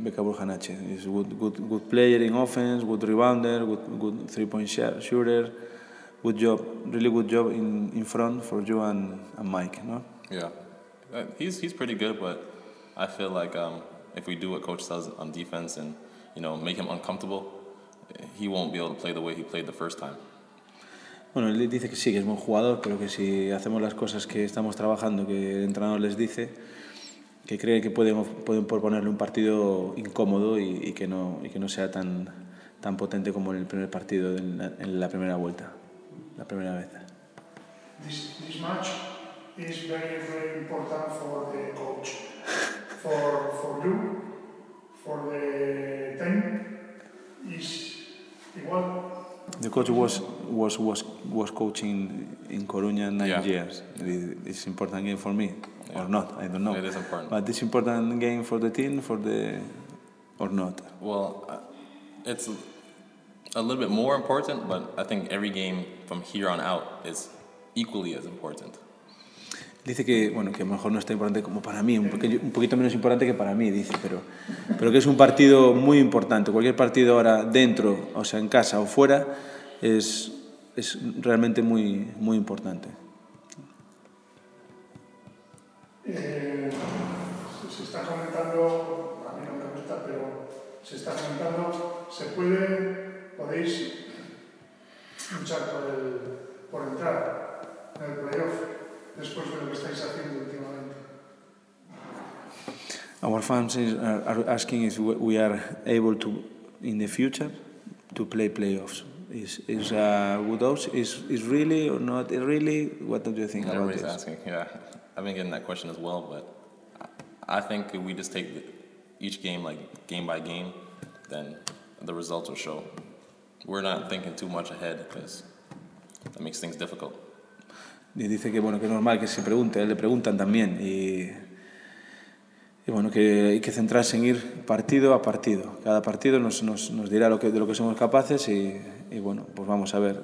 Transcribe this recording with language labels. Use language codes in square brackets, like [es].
[en] Beka Brujanache is good player in offense, good rebounder, good 3-point shooter, good job, really good job in front for you and Mike, no? Yeah, he's pretty good, but I feel like if we do what Coach says on defense and, you know, make him uncomfortable, he won't be able to play the way he played the first time. [es] Bueno, él dice que sí, que es buen jugador, pero que si hacemos las cosas que estamos trabajando, que el entrenador les dice, que cree que pueden proponerle un partido incómodo y que no sea tan potente como en el primer partido, en la primera vuelta, la primera vez. [en] This match is very, very important for the coach, for you, for the team, is [es] igual. [en] The coach was coaching in Coruña 9 years. It's an important game for me, yeah. Or not, I don't know. It is important. But this important game for the team, or not? Well, it's a little bit more important, but I think every game from here on out is equally as important. [es] Dice que, bueno, que a lo mejor no está importante como para mí, un poquito menos importante que para mí, dice, pero que es un partido muy importante. Cualquier partido ahora dentro, o sea, en casa o fuera, es realmente muy, muy importante. Se está comentando, a mí no me gusta, pero se está comentando, podéis luchar por entrar. en el playoff después de lo que estáis haciendo últimamente? [en] Our fans are asking if we are able to, in the future, to play playoffs. Is good odds? Is really or not really? What do you think about this? Everybody's asking. Yeah, I've been getting that question as well. But I think if we just take each game like game by game, then the results will show. We're not thinking too much ahead because that makes things difficult. [es] Y dice que bueno que es normal que se pregunte. Le preguntan también y. Y bueno, que hay que centrarse en ir partido a partido. Cada partido nos dirá de lo que somos capaces y bueno, pues vamos a ver.